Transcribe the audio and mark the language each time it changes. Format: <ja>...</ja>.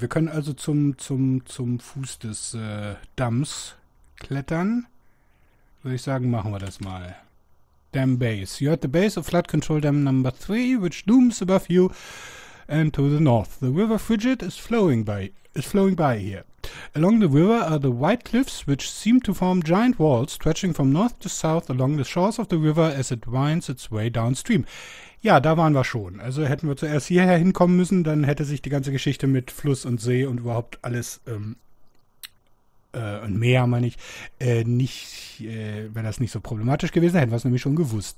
<de>Wir können also zum Fuß des Damms klettern. Würde ich sagen, machen wir das mal. Dam Base.</de> <en>You're at the base of Flood Control Dam Number 3, which looms above you. And to the north. The River Frigid is flowing by here. Along the river are the white cliffs, which seem to form giant walls, stretching from north to south along the shores of the river as it winds its way downstream.</en> <de>Ja, da waren wir schon. Also hätten wir zuerst hierher hinkommen müssen, dann hätte sich die ganze Geschichte mit Fluss und See und überhaupt alles, und Meer, meine ich, nicht, wäre das nicht so problematisch gewesen, hätten wir es nämlich schon gewusst.</de>